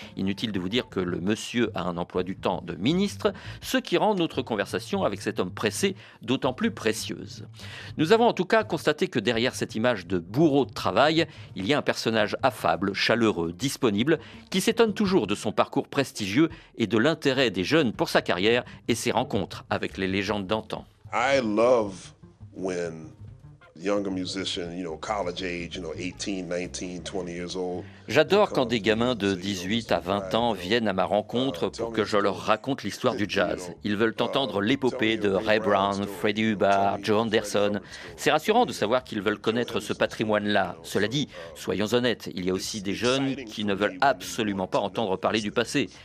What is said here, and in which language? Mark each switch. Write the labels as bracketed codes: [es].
[fr] Inutile de vous dire que le monsieur a un emploi du temps de ministre, ce qui rend notre conversation avec cet homme pressé d'autant plus précieuse. Nous avons en tout cas constaté que derrière cette image de bourreau de travail, il y a un personnage affable, chaleureux, disponible, qui s'étonne toujours de son parcours prestigieux et de l'intérêt des jeunes pour sa carrière et ses rencontres avec les légendes d'antan. [en] I love when younger musician, you know, college age, you know, 18, 19, 20 years old. [fr] J'adore quand des gamins de 18 à 20 ans viennent à ma rencontre pour que je leur raconte l'histoire du jazz. Ils veulent entendre l'épopée de Ray Brown, Freddie Hubbard, Joe Anderson. C'est rassurant de savoir qu'ils veulent connaître ce patrimoine-là. Cela dit, soyons honnêtes, il y a aussi des jeunes qui ne veulent absolument pas entendre parler du passé.